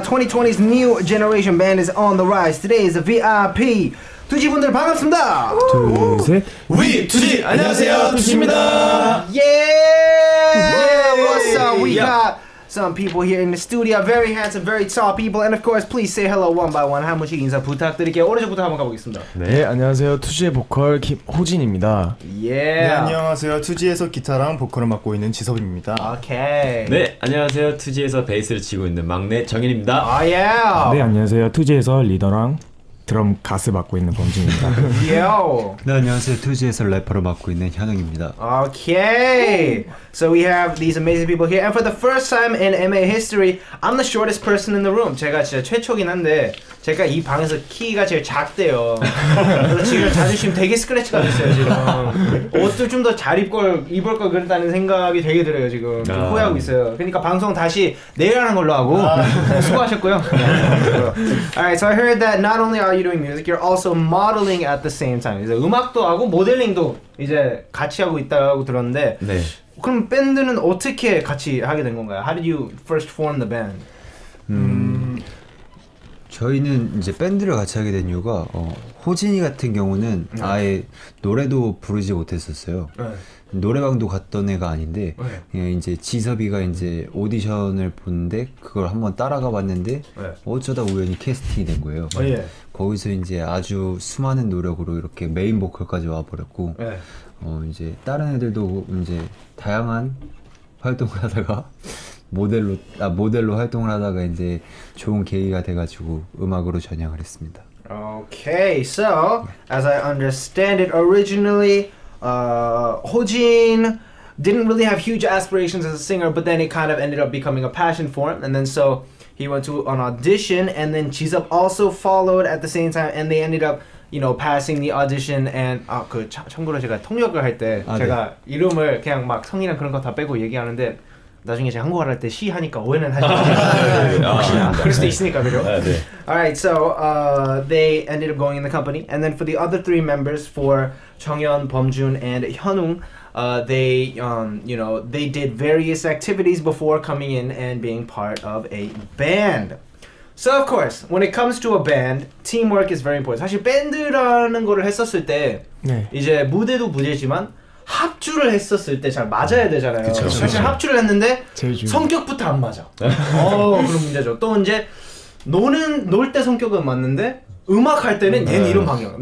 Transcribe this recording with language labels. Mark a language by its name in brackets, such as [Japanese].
[English] 2020's new generation band is on the rise. Today is a VIP. [Korean] 2G 분들 반갑습니다. 둘, 셋. We 2G 안녕하세요. 2G입니다. [English] Yeah. What's up? We got some people here in the studio. Very handsome, very tall people. And of course, please say hello one by one. [Korean] 한 분씩 인사 부탁드릴게요. 오른쪽부터 한번 가보겠습니다. 네, 안녕하세요. 2G의 보컬 김호진입니다. [English] Yeah. [Korean] 네, 안녕하세요. 2G에서 기타랑 보컬을 맡고 있는 지섭입니다. [English] Okay. [Korean] 네, 안녕하세요. 2G에서 베이스를 치고 있는 막내 정인입니다. [English] Oh, yeah. [Korean] 네, 안녕하세요. 2G에서 리더랑 드럼 가스 맡고 있는 범준입니다. 요. 네, 안녕하세요. 2G에서 래퍼를 맡고 있는 현웅입니다. [English] 오케이. So we have these amazing people here. And for the first time in MA history, I'm the shortest person in the room. [Korean] 제가 진짜 최초긴 한데 제가 이 방에서 키가 제일 작대요. 그래서 지금 자존심 되게 스크래치가 됐어요, 지금. 옷도 좀 더 잘 입걸 입을 걸 그랬다는 생각이 되게 들어요, 지금. 좀 후회하고 있어요. 그러니까 방송 다시 내일 하는 걸로 하고 수고하셨고요. [English] Alright, so I heard that not only are you doing music, you're also modeling at the same time. [Korean] 이제 음악도 하고 모델링도 이제 같이 하고 있다고 들었는데 네. 그럼 밴드는 어떻게 같이 하게 된 건가요? [English] How did you first form the band? [Korean] 저희는 이제 밴드를 같이 하게 된 이유가 호진이 같은 경우는 아예 노래도 부르지 못했었어요. 노래방도 갔던 애가 아닌데 그냥 이제 지섭이가 이제 오디션을 보는데 그걸 한번 따라가 봤는데 어쩌다 우연히 캐스팅이 된 거예요. 거기서 이제 아주 수많은 노력으로 이렇게 메인 보컬까지 와버렸고 이제 다른 애들도 이제 다양한 활동을 하다가 모델로 활동을 하다가 이제 좋은 계기가 돼가지고 음악으로 전향을 했습니다. [English] Okay, so as I understand it, originally, Hojin didn't really have huge aspirations as a singer, but then it kind of ended up becoming a passion for him, and then so he went to an audition, and then Jisup also followed at the same time, and they ended up, you know, passing the audition. [Korean] And 아 그 참고로 제가 통역을 할 때 제가 네. 이름을 그냥 막 성이랑 그런 거 다 빼고 얘기하는데. 나중에 제가 한국어 할 때 시 하니까 오해는 하지 마세요. 그럴 수도 있으니까 그죠? 아, 네. [English] Alright, so they ended up going in the company. And then for the other three members, for 정연, 범준, and 현웅, they, you know, they did various activities before coming in and being part of a band. So of course, when it comes to a band, teamwork is very important. [Korean] 사실 밴드라는 거를 했었을 때 네. 이제 무대도 무대지만 합주를 했었을 때 잘 맞아야 되잖아요. 그쵸, 사실 그쵸. 합주를 했는데 성격부터 안 맞아. 그런 문제죠. 또 이제 노는 놀 때 성격은 맞는데 음악 할 때는 얘는 이런 방향.